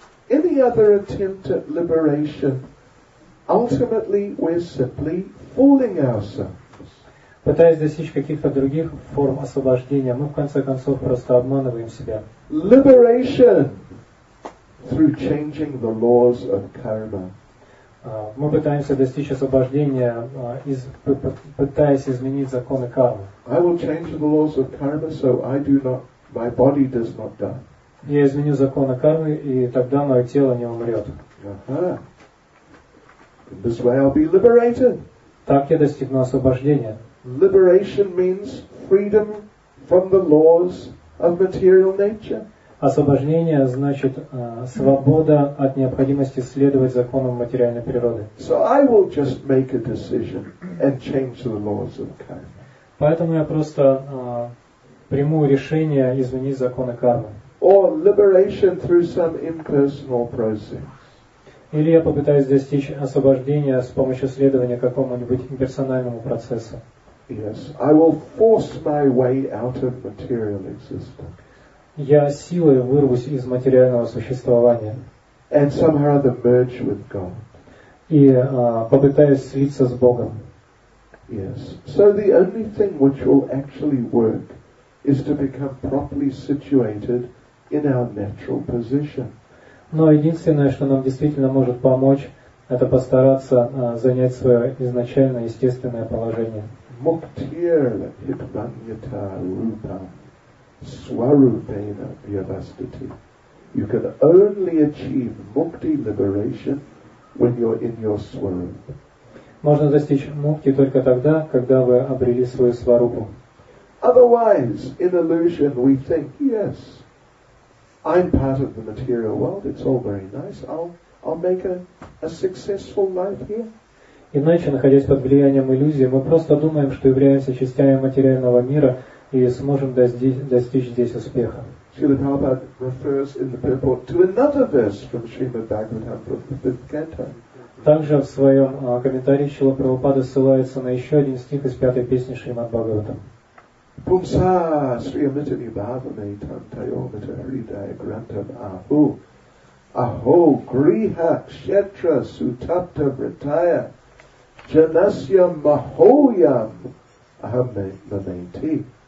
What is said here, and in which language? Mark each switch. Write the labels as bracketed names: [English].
[English] Any other attempt at liberation, ultimately we're simply fooling ourselves. [Russian] Пытаясь достичь каких-то других форм освобождения, мы в конце концов просто обманываем себя. [English] Liberation through changing the laws of karma. [Russian] Мы пытаемся достичь освобождения, пытаясь изменить законы кармы. [English] I will change the laws of karma so I do not, my body does not die. [Russian] Я изменю законы кармы, и тогда мое тело не умрет. [English] In this way I'll be liberated. [Russian] Так я достигну освобождения. [English] Liberation means freedom from the laws of material nature. [Russian] Освобождение значит свобода от необходимости следовать законам материальной природы. [English] So I will just make a decision and change the laws of karma. [Russian] Поэтому я просто прямое решение изменить законы кармы. [English] Or liberation through some impersonal process. [Russian] Или я попытаюсь достичь освобождения с помощью следования какому-нибудь имперсональному процессу. [English] Yes, I will force my way out of material existence. [Russian] Я силой вырвусь из материального существования. [English] And somehow the merge with God. [Russian] И попытаюсь слиться с Богом. [English] Yes. So the only thing which will actually work is to become properly situated in our natural position. [Russian] Но единственное, что нам действительно может помочь, это постараться занять свое изначальное естественное положение. [Sanskrit] Муктирла хитманьята рупам сварупена вьявастати. [English] You can only achieve mukti liberation when you're in your swarup. [Russian] Можно достичь мукти только тогда, когда вы обрели свою сварупу. [English] Otherwise, in illusion, we think, yes, I'm part of the material world. It's all very nice. I'll make a successful life here. [Russian] Иначе, находясь под влиянием иллюзии, мы просто думаем, что являемся частями материального мира и сможем достичь здесь успеха. [English] Srila Prabhupada refers in the purport to another verse from Srimad Bhagavatam, from the fifth canto. [Russian] Также в своем комментарии Шрила Прабхупада ссылается на еще один стих из пятой песни Шримад Бхагаватам. [Sanskrit] Пумса Сри Амитани Бхавамей Там Тайомита Хридая Грантам Аху Ахо Гриха Кшетра Сутапта Вритая Джанасьям Махоям Ахамамейти.